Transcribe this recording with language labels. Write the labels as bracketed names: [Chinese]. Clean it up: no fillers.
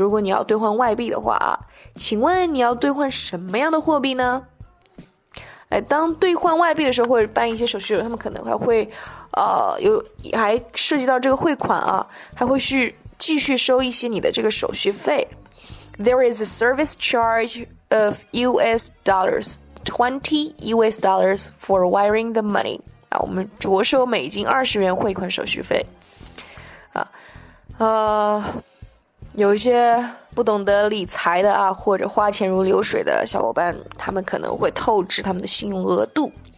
[Chinese] 如果你要兑换外币的话请问你要兑换什么样的货币呢哎，当兑换外币的时候，或者办一些手续，他们可能还会，有还涉及到这个汇款啊，还会去继续收一些你的这个手续费。 [English] There is a service charge of US dollars, US dollars for wiring the money. [Chinese] 啊，我们着收美金20元汇款手续费。啊，有些不懂得理财的啊，或者花钱如流水的小伙伴，他们可能会透支他们的信用额度。